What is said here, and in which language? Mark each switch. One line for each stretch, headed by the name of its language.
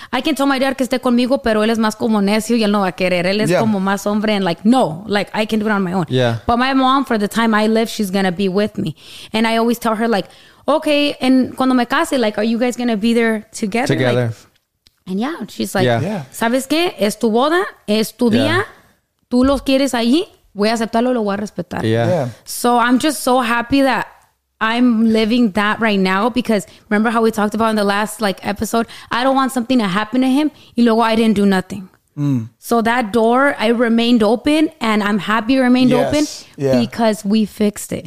English: I can tell my dad
Spanish: que esté conmigo, pero él es más como necio y él no va a querer. Él es como más hombre
English: and like, no, like, I can do it on my own. Yeah. But my mom, for the time I live, she's going to be with me. And I always tell her, like, okay, and
Spanish: cuando me case,
English: like, are you guys going to be there together? Together. Like, and she's like,
Spanish: ¿sabes qué? Es tu boda, es tu día, tú los quieres allí, voy a aceptarlo, lo voy a respetar.
English: Yeah. So I'm just so happy that I'm living that right now because remember how we talked about in the last like episode, I don't want something to happen to him. You know, I didn't do nothing. Mm. So that door, I remained open and I'm happy it remained open because we fixed it.